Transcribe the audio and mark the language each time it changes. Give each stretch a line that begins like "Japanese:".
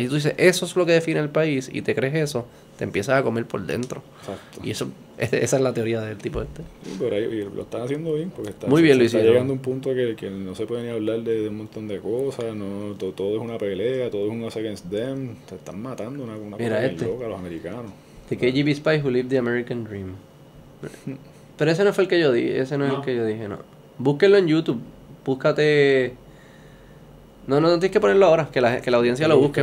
Spanish: Y tú dices, eso es lo que define el país, y te crees eso, te empiezas a comer por dentro. Exacto. Y eso, esa es la teoría del tipo este. Sí, pero ahí, y lo están haciendo bien, porque está, muy bien, está llegando a un punto que no se puede ni hablar de un montón de cosas, no, todo es una pelea, todo es un
English: us against them,
Spanish: te están matando una cosa loca a los americanos.
English: The KGB spy who lived the American dream.
Spanish: Pero ese no fue el que yo dije, no. Búsquenlo en YouTube. Búscate. No tienes que ponerlo ahora, que la audiencia lo busque.